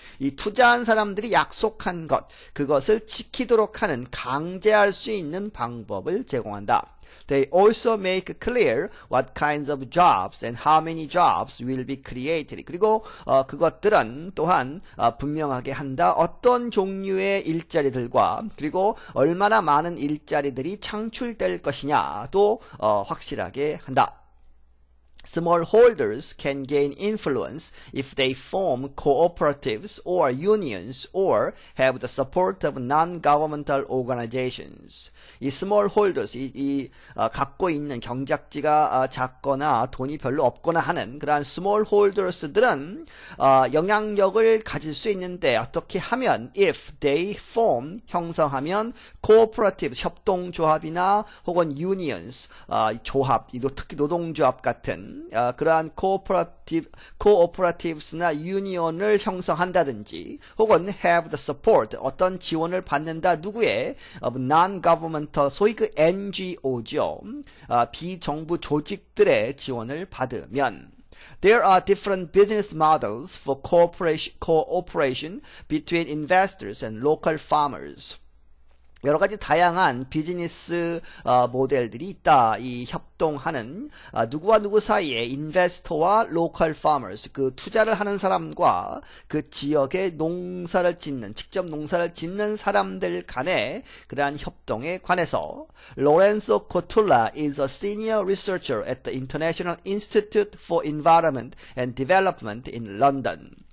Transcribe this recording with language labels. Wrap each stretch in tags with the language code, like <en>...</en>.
<ko>이 투자한 사람들이 약속한 것, 그것을 지키도록 하는 강제할 수 있는 방법을 제공한다.</ko> <en>They also make clear what kinds of jobs and how many jobs will be created.</en> <ko>그리고 그것들은 또한 분명하게 한다. 어떤 종류의 일자리들과 그리고 얼마나 많은 일자리들이 창출될 것이냐도 확실하게 한다.</ko> <en>Smallholders can gain influence if they form cooperatives or unions or have the support of non-governmental organizations.</en> <ko>이 smallholders, 갖고 있는 경작지가 작거나 돈이 별로 없거나 하는 그러한 smallholders들은 영향력을 가질 수 있는데 어떻게 하면</ko> <en>if they form</en> <ko>형성하면 cooperatives 협동조합이나 혹은 unions 조합, 특히 노동조합 같은 그러한 cooperatives나 union을 형성한다든지, 혹은</ko> <en>have the support,</en> <ko>어떤 지원을 받는다, 누구의, non-governmental, 소위 그 NGO죠. 비정부 조직들의 지원을 받으면.</ko> <en>There are different business models for cooperation between investors and local farmers.</en> <ko>여러 가지 다양한 비즈니스 모델들이 있다. 이 협동하는 누구와 누구 사이에 인베스터와 로컬 파머스 그 투자를 하는 사람과 그 지역의 농사를 짓는 직접 농사를 짓는 사람들 간의 그러한 협동에 관해서 로렌소 코툴라</ko> <en>is a senior researcher at the International Institute for Environment and Development in London.</en>